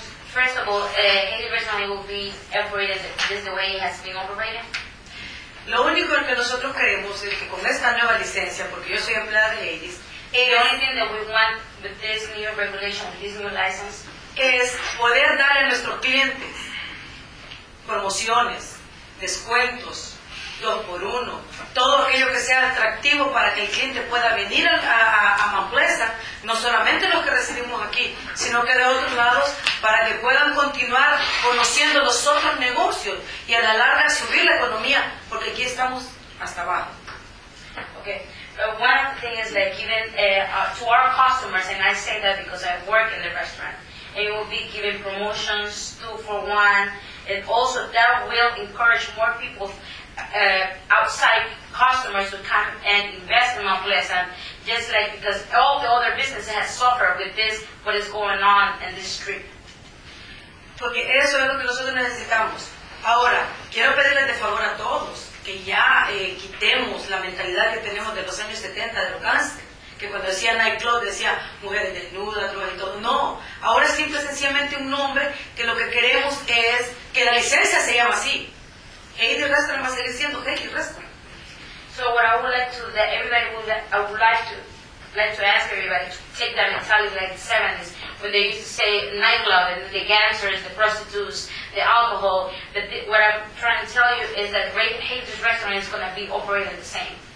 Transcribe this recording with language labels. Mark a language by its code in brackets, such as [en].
[en] First of all, Hades Restaurant will be operated just the way it has been operated. [es] Lo único que nosotros queremos es que con esta nueva licencia, porque yo soy empleada de Hades, [en] the only thing that we want with this new regulation, with this new license, [es] es poder dar a nuestros clientes promociones, descuentos, 2x1, todo aquello que sea atractivo para que el cliente pueda venir a Mount Pleasant, no solamente los que recibimos aquí, sino que de otros lados, para que puedan continuar conociendo los otros negocios y a la larga subir la economía, porque aquí estamos hasta abajo. [en] Okay. One of the things is like giving to our customers, and I say that because I work in the restaurant, it will be giving promotions 2-for-1, and also that will encourage more people outside customers to come and invest in Mount Pleasant, just like because all the other businesses have suffered with this, what is going on in this street. [es] Porque eso es lo que nosotros necesitamos. Ahora, quiero pedirle de favor a todos que ya quitemos la mentalidad que tenemos de los años 70 de los gánster, que cuando decía nightclub decía mujeres desnudas, drogas y todo. No, ahora es simple y sencillamente un nombre que lo que queremos es que la licencia se llame así. Hey, the restaurant va a seguir siendo Hey, the restaurant. [en] So what I would like to, that everybody would, I would like to ask everybody to take that mentality like the 70s, when they used to say nightclub and the gangsters, the prostitutes, the alcohol. But what I'm trying to tell you is that great Hades Restaurant is going to be operating the same.